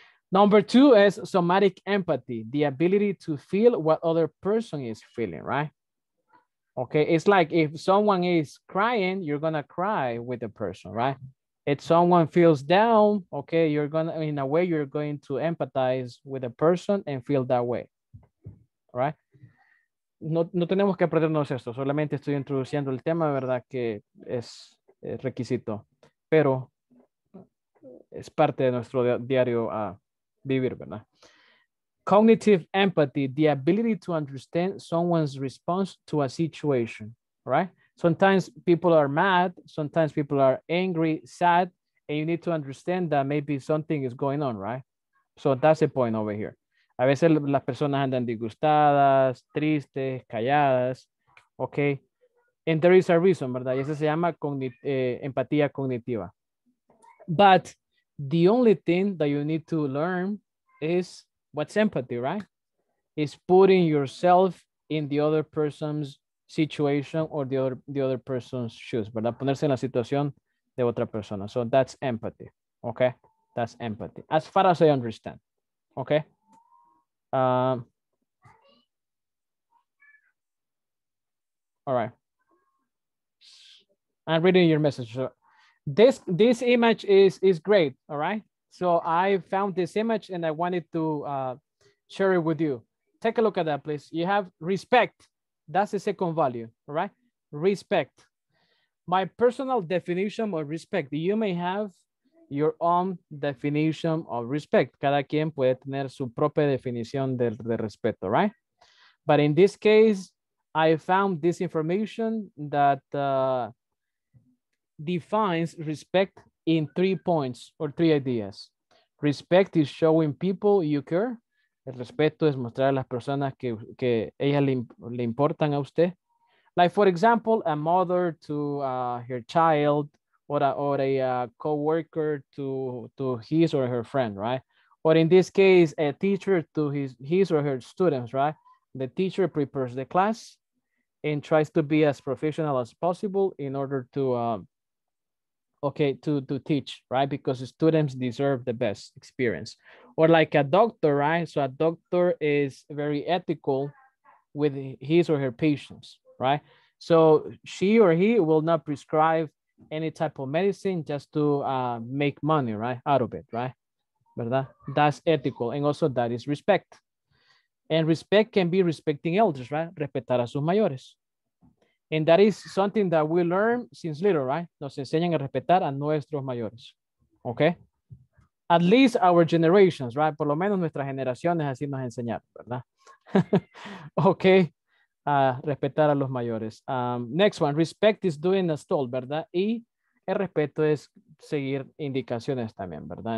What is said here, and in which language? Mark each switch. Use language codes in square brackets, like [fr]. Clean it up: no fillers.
[en] Number two is somatic empathy, the ability to feel what other person is feeling, right? Okay, it's like if someone is crying, you're gonna cry with the person, right? If someone feels down, okay, you're gonna, in a way, you're going to empathize with a person and feel that way, right? [es] No tenemos que aprendernos esto, solamente estoy introduciendo el tema, verdad, que es requisito, pero es parte de nuestro diario a vivir, verdad? [en] Cognitive empathy, the ability to understand someone's response to a situation, right? Sometimes people are mad, sometimes people are angry, sad, and you need to understand that maybe something is going on, right? So that's the point over here. [es] A veces las personas andan disgustadas, tristes, calladas, okay? [en] And there is a reason, [es] ¿verdad? Y eso se llama empatía cognitiva. [en] But the only thing that you need to learn is what's empathy, right? It's putting yourself in the other person's situation or the other person's shoes, ¿verdad? [es] Ponerse en la situación de otra persona. [en] So that's empathy, okay? That's empathy, as far as I understand, okay? All right. I'm reading your message. So this image is great, all right? So I found this image and I wanted to share it with you. Take a look at that, please. You have respect. That's the second value, all right? Respect. My personal definition of respect. You may have your own definition of respect. [es] Cada quien puede tener su propia definición de respeto, right? [en] But in this case, I found this information that defines respect in 3 points or 3 ideas. Respect is showing people you care. [es] El respeto es mostrar a las personas que ellas le importan a usted. [en] Like, for example, a mother to her child, or a co-worker to his or her friend, right? Or in this case, a teacher to his or her students, right? The teacher prepares the class and tries to be as professional as possible in order to teach, right? Because students deserve the best experience. Or like a doctor, right? So a doctor is very ethical with his or her patients, right? So she or he will not prescribe any type of medicine just to make money, right? Out of it, right? ¿Verdad? That's ethical. And also that is respect. And respect can be respecting elders, right? [es] Respetar a sus mayores. [en] And that is something that we learn since little, right? [es] Nos enseñan a respetar a nuestros mayores, okay? [en] At least our generations, right? [es] Por lo menos nuestras generaciones así nos enseñaron, ¿verdad? Okay, respetar a los mayores. [en] Next one, respect is doing as told, [es] ¿verdad? Y el respeto es seguir indicaciones también, ¿verdad?